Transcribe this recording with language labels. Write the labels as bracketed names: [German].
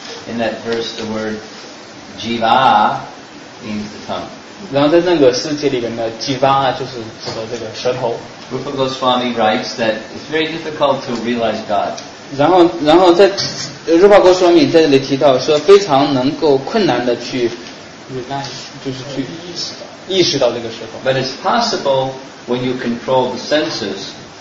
[English] In that verse, the word Jiva means the tongue. [Chinese] 然后在那个世界里面的几方啊，就是指的这个舌头。 [English] Rupa Goswami writes that it's very difficult to realize God. [Chinese] 然后在 Rupa Goswami 在这里提到说，非常能够困难的去 [English] realize， [Chinese] 就是去意识到这个舌头。 [English] But it's possible when you control the senses.